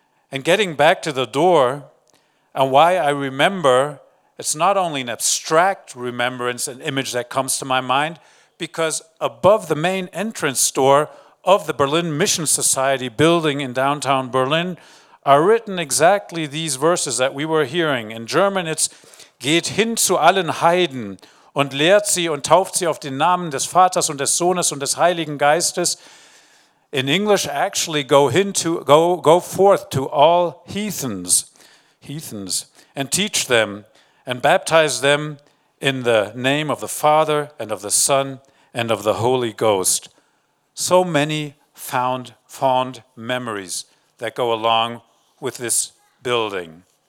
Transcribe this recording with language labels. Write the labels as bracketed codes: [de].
[en] And getting back to the door and why I remember, it's not only an abstract remembrance and image that comes to my mind, because above the main entrance door of the Berlin Mission Society building in downtown Berlin are written exactly these verses that we were hearing. In German, it's, [de] "Geht hin zu allen Heiden und lehrt sie und tauft sie auf den Namen des Vaters und des Sohnes und des Heiligen Geistes." [en] In English, actually, go forth to all heathens, and teach them and baptize them in the name of the Father and of the Son and of the Holy Ghost. So many fond memories that go along with this building.